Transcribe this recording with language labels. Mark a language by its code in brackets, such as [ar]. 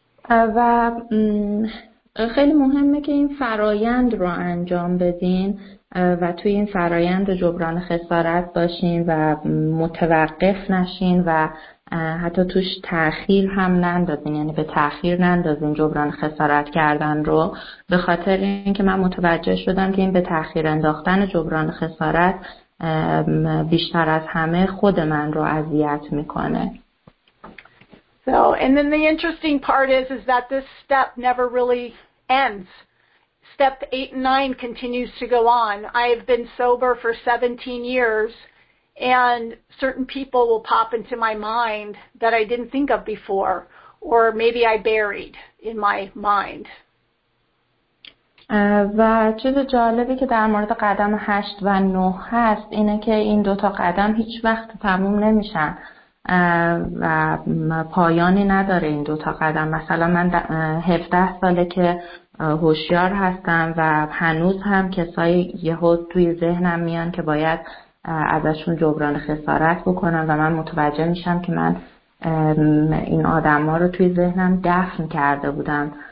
[fa] و خیلی مهمه که این فرایند رو انجام بدین و توی این فرایند جبران خسارت باشین و متوقف نشین و حتی توش تأخیر هم نندازین، یعنی به تأخیر نندازین جبران خسارت کردن رو، به خاطر اینکه من متوجه شدم که این به تأخیر انداختن جبران خسارت بیشتر از همه خود من رو اذیت میکنه. [en] So, and then the interesting part is that this step never really ends. Step 8 and 9 continues to go on. I've been sober for 17 years and certain people will pop into my mind that I didn't think of before, or maybe I buried in my mind. [fa] و چیز جالبی که در مورد قدم 8 و 9 هست اینه که این دوتا قدم هیچ وقت تموم نمیشن و پایانی نداره این دوتا قدم. مثلا من 17 ساله که هوشیار هستم و هنوز هم کسایی یهو توی ذهنم میان که باید ازشون جبران خسارت بکنم، و من متوجه میشم که من این آدم ها رو توی ذهنم دفن کرده بودم